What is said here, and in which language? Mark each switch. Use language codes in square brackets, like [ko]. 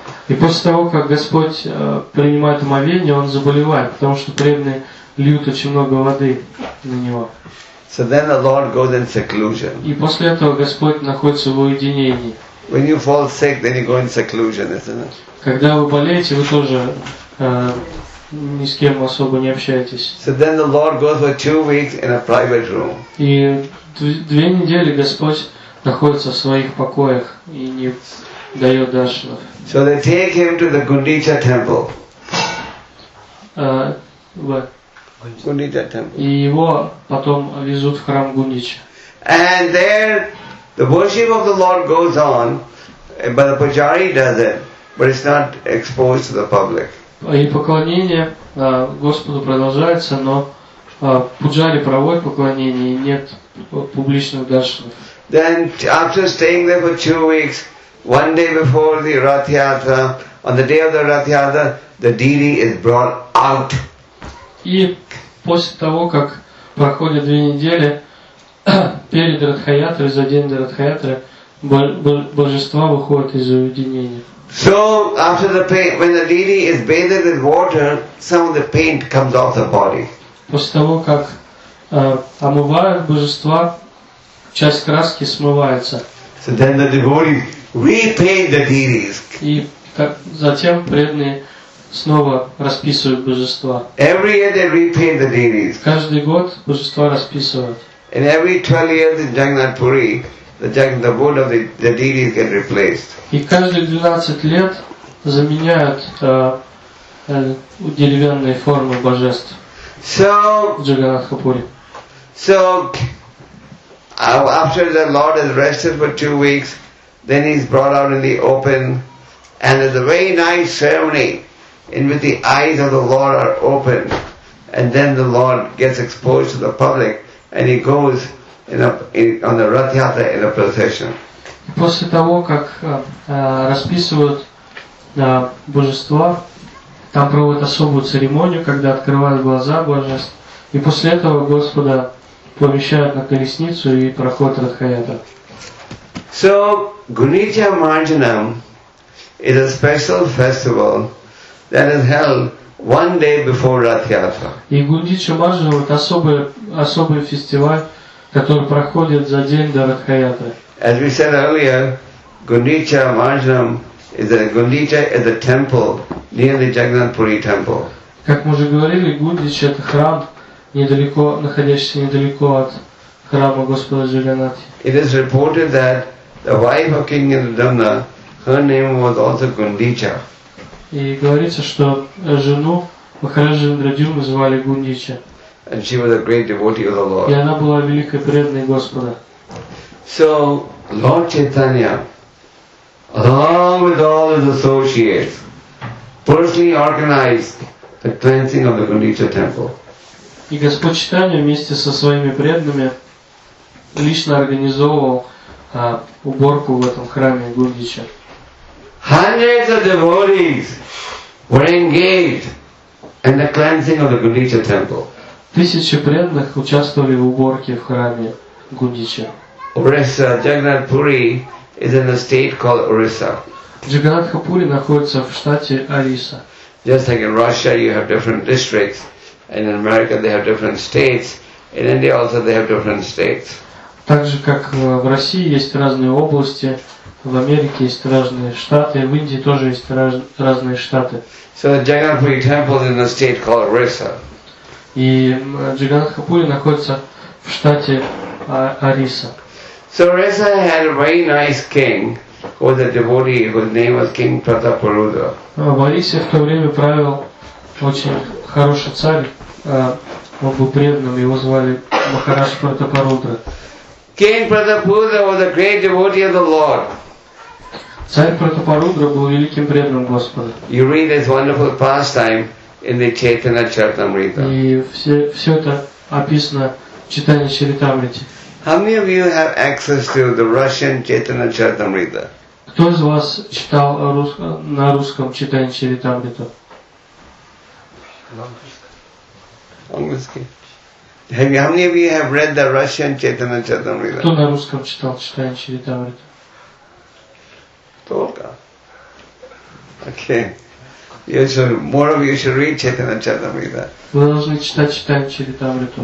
[ru] И после того, как Господь принимает омовение, он заболевает, потому что преданные льют очень много воды на него. [en] So then the Lord goes in seclusion. [ru] И после этого Господь находится в уединении. [en] When you fall sick, then you go in seclusion, isn't it? [ru] Когда вы болеете, вы тоже ни с кем особо не общаетесь. [en] So then the Lord goes for 2 weeks in a private room. [ru] И 2 недели Господь находится в своих покоях и не дает даршанов. [en] So they take him to the Gundicha temple. Gundicha temple. [ru] И его потом везут в храм Гундича. [en] And there the worship of the Lord goes on, but the pujari does it, but it's not exposed to the public. [ru] И поклонение Господу продолжается, но пуджари проводят поклонение, и нет публичных даршанов. [en] Then after staying there for 2 weeks, one day before the Rath Yatra, on the day of the Rath Yatra, the Deity is brought out. [ru] И после того, как проходят 2 недели перед Радхаятрой, за день до Радхаятры, божества выходят из уединения. [en] So after the paint, when the deity is bathed in water, some of the paint comes off the body. [ru] После того, как омывают божества, часть краски смывается. [en] So then the devotees repaint the deities. [ru] И затем преданные снова расписывают божества. [en] Every year they repaint the deities. [ru] Каждый год божества расписывают. [en] And every 12 years in Jagannath Puri, the wood of the deities get replaced. [ru] И каждые 12 лет заменяют деревянные формы божеств. [en] So, [ru] в Джаганатхапуре. [en] So, after the Lord has rested for 2 weeks, then he's brought out in the open, and there's a very nice ceremony in which the eyes of the Lord are opened, and then the Lord gets exposed to the public, and he goes on the Rath Yatra in a procession. [ru] После того, как расписывают божества, там проводят особую церемонию, когда открывают глаза божеств, и после этого Господа помещают на колесницу и проходят Радхаятра. [en] So, Gunija Marjanam is a special festival that is held one day before Rath Yatra. [ru] И Гундича Марджанам — это особый фестиваль, который проходит за день до Радхаятры. [en] As we said earlier, Gundicha Marjanam is a Gundicha is a temple near the Jagannath Puri temple. [ru] Как мы уже говорили, Гундича — это храм, находящийся недалеко от храма Господа Джаганнатхи. [en] It is reported that the wife of King Indradumna, her name was also Gundicha. [ru] И говорится, что жену Махараджи Индрадюмны звали Гундича. [en] And she was a great devotee of the Lord. [ru] И она была великой преданной Господа. [en] So, Lord Chaitanya, along with all his associates, personally organized the cleansing of the Gundicha temple. [ru] И Господь Чайтанья вместе со своими преданными лично организовывал уборку в этом храме Гундича. [en] Hundreds of devotees were engaged in the cleansing of the Gundicha temple. [ru] Тысячи преданных участвовали в уборке в храме Гундича. [en] Orissa, Jagannath Puri is in a state called Orissa. [ru] Джаганатхапури находится в штате Орисса. [en] Just like in Russia you have different districts, and in America they have different states, in India also they have different states. [ru] Так же как в России есть разные области, в Америке есть разные штаты, в Индии тоже есть разные штаты. [en] So the Jagannath Puri temple is in a state called Orissa. [ru] И Джаганатхапури находится в штате Орисса. [en] So Orissa had a very nice king, who was a devotee, whose name was King Prataparudra. [ru] В Орисе в то время правил очень хороший царь, он был преданным, его звали Махарадж Пратапарудра. [en] King Prataparudra was a great devotee of the Lord. [ru] Царь Пратапарудра был великим преданным Господа. [en] You read this wonderful pastime in the Chaitanya Charitamrita. [ru] И все это описано в Читании Чаритамрити. [en] How many of you have access to the Russian Chaitanya Charitamrita? [ru] Кто из вас читал на русском Читание Чаритамрита? Английский. [en] How many of you have read the Russian Chaitanya Charitamrita? [ru] Кто на русском читал Читание Чаритамрита? Только. [en] Okay. More of you should read Chaitanya Charitamrita. [ru] Вы должны читать Читание Чаритамрита.